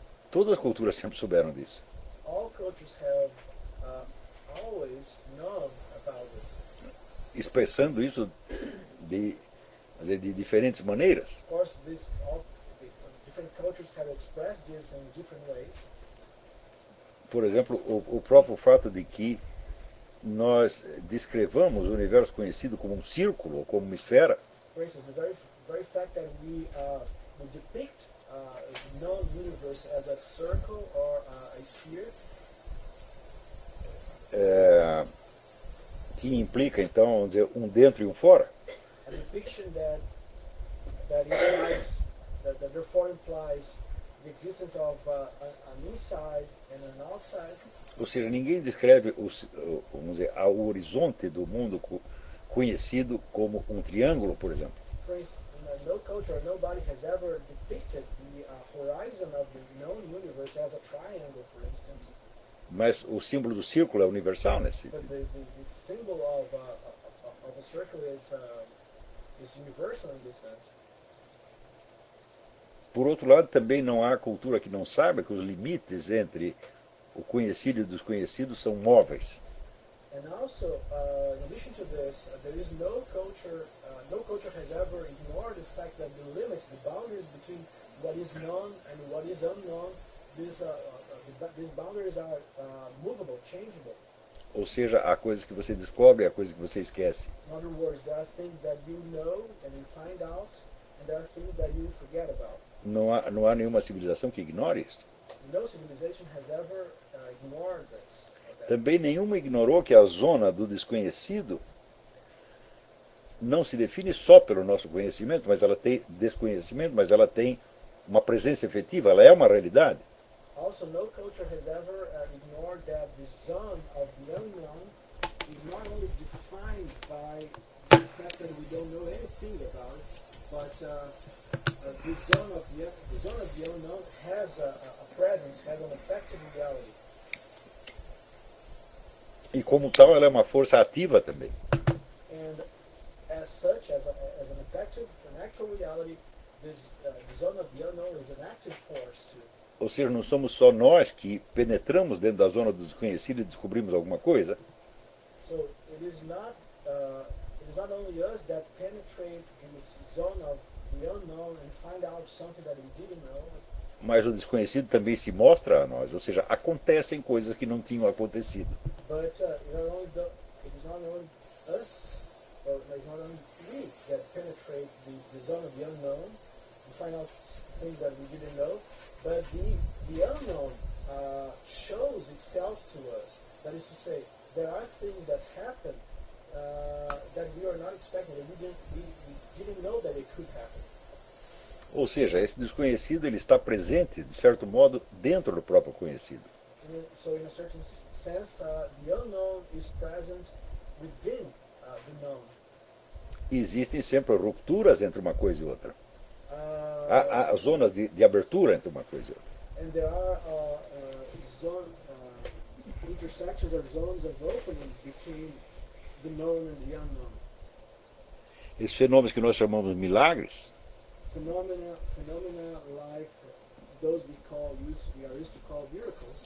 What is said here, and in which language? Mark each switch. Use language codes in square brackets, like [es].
[pt] Todas as culturas sempre souberam disso. [en] All cultures have always known about this. [pt] Expressando isso de diferentes maneiras. [en] Of course, different cultures can express this in different ways. [pt] Por exemplo, o próprio fato de que nós descrevamos o universo conhecido como um círculo ou como uma esfera. [en] For instance, the very fact that we depict the known universe as a circle or a sphere. [pt] Que implica então, vamos dizer, um dentro e um fora. [en] A depiction that therefore implies the existence of an inside and an outside. [pt] Ou seja, ninguém descreve o horizonte do mundo conhecido como um triângulo, por exemplo. [en] For instance, no culture, nobody has ever depicted the horizon of the known universe as a triangle, for instance. [pt] Mas o símbolo do círculo é universal nesse. [en] But the symbol of a circle is universal in this sense. [pt] Por outro lado, também não há cultura que não saiba que os limites entre o conhecido e o desconhecido são móveis. [en] And also, in addition to this, there is no culture, no culture has ever ignored the fact that the limits, the boundaries between what is known and what is unknown, these boundaries are movable, changeable. [pt] Ou seja, há coisas que você descobre e há coisas que você esquece. [en] In other words, there are things that you know and you find out, and there are things that you forget about. [pt] Não há nenhuma civilização que ignore isto. [en] No civilization has ever ignored this. [pt] Também nenhuma ignorou que a zona do desconhecido não se define só pelo nosso conhecimento, mas ela tem desconhecimento, mas ela tem uma presença efetiva, ela é uma realidade. [en] Also, no culture has ever ignored that the zone of the unknown is not only defined by the fact that we don't know anything about it, but the zone of the unknown has a presence, has an effective reality. [pt] E como tal, ela é uma força ativa também. [en] And as such, as an effective, an actual reality, this zone of the unknown is an active force too. [pt] Ou seja, não somos só nós que penetramos dentro da zona do desconhecido e descobrimos alguma coisa. [en] So, it is not only us that penetrate in this zone of the unknown and find out something that we didn't know. [pt] Mas o desconhecido também se mostra a nós, ou seja, acontecem coisas que não tinham acontecido. [en] But it is not only we that penetrate the zone of the unknown and find out things that we didn't know. But the unknown shows itself to us. That is to say, there are things that happen that we are not expecting, that we didn't know that it could happen. [pt] Ou seja, esse desconhecido ele está presente, de certo modo, dentro do próprio conhecido. [en] So, in a certain sense, the unknown is present within the known. [pt] Existem sempre rupturas entre uma coisa e outra. Há zonas de abertura entre uma coisa e outra. [en] And there are intersections or zones of opening between the known and the unknown. [pt] Esses fenômenos que nós chamamos de milagres. [en] phenomena like those we call used to call miracles.